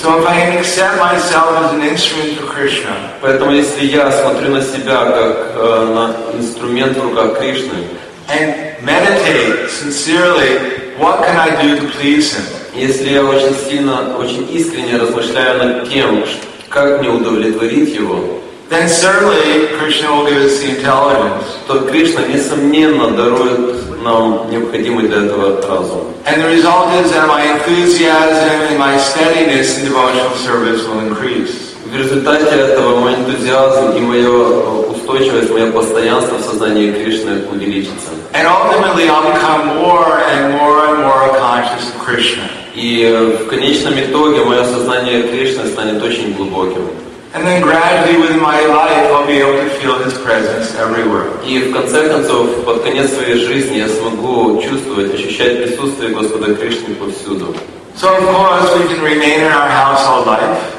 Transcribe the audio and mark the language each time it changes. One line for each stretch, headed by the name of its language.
English: So if I can accept myself as an instrument for Krishna.
Russian: Поэтому если я смотрю на себя как на инструмент в руках Кришны.
English: And meditate sincerely, what can I do to please Him?
Russian: Если я очень сильно, очень искренне размышляю над тем, как мне удовлетворить Его.
English: Then certainly Krishna will give us the intelligence.
Russian: То Кришна несомненно дарует нам необходимый для этого разум.
English: And the result is that my enthusiasm and my steadiness in devotional service will increase.
Russian: В результате этого мой энтузиазм и моя устойчивость, мое постоянство в сознании Кришны увеличится.
English: And ultimately I'll become more and more and more conscious of Krishna.
Russian: И в конечном итоге мое сознание Кришны станет очень глубоким.
English: And then gradually within my life I'll be able to feel His presence everywhere.
Russian: И в конце концов, под конец своей жизни я смогу чувствовать, ощущать присутствие Господа Кришны повсюду.
English: So of course we can remain in our household life.